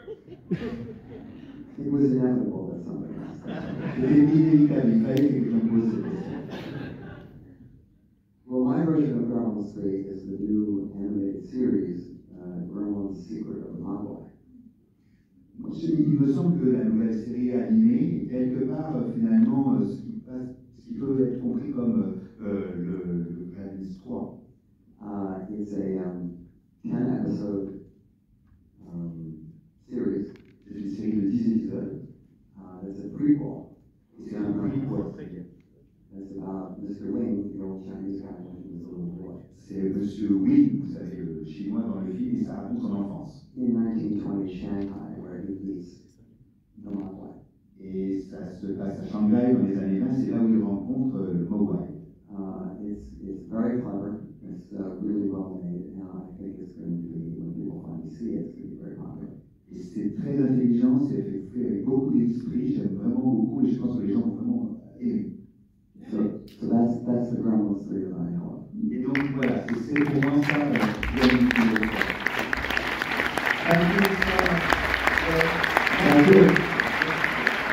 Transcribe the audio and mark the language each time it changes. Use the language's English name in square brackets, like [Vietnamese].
[English] It was an animal, that's not very nice. [French] Les inévitables, il fallait que j'en pose cette question. [English] Well, my version of Gremlins 3 is the new animated series, Gremlins Secret of the Mogwai. [French] Il me semble que la nouvelle série animée est quelque part finalement ce qui peut être compris comme le Gremlins 3. [English] It's a 10 episode series. [French] C'est une série de 10 épisodes. [English] That's a prequel. [French] C'est un prequel. [English] That's about Mr. Wing, the old Chinese guy when he was a little boy. [French] C'est Monsieur Wing, vous savez, le chinois dans le film, et ça raconte son enfance. [English] In 1920 Shanghai, where he meets the Mogwai. [French] Et ça se passe à Shanghai dans les années 20, c'est là où il rencontre le Mogwai. [English] It's very clever, it's really well made, and I think it's going to be, when people finally see it, it's going to be very popular. [French] Et c'est très intelligent, c'est fait avec beaucoup d'esprit, j'aime vraiment beaucoup, et je pense que les gens ont vraiment aimé. [English] So that's the grammar story that I know. [French] Et donc voilà, c'est pour moi ça. [English] Thank you. Thank you.